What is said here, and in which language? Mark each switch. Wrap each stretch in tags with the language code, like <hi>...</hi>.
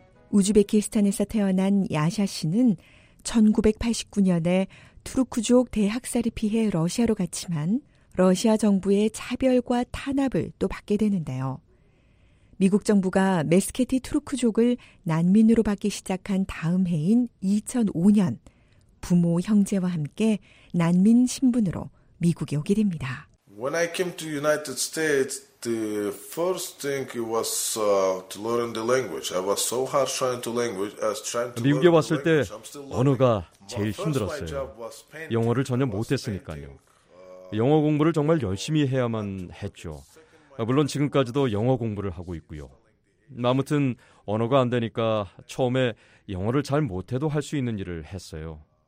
<ko>우즈베키스탄에서 태어난 야샤 씨는 1989년에 투르크족 대학살이 피해 러시아로 갔지만 러시아 정부의 차별과 탄압을 또 받게 되는데요. 미국 정부가 메스케티 투르크족을 난민으로 받기 시작한 다음 해인 2005년, 부모, 형제와 함께 난민 신분으로 미국에 오게 됩니다.</ko> <en>When I came to United States, the first thing was to learn the language. I was so hard trying to language as trying to</en> <ko>미국에 왔을 때 언어가 제일 힘들었어요. 영어를 전혀 못했으니까요. 영어 공부를 정말 열심히 해야만 했죠. 물론 지금까지도 영어 공부를 하고 있고요. 아무튼 언어가 안 되니까 처음에 영어를 잘 못해도 할 수 있는 일을 했어요.</ko>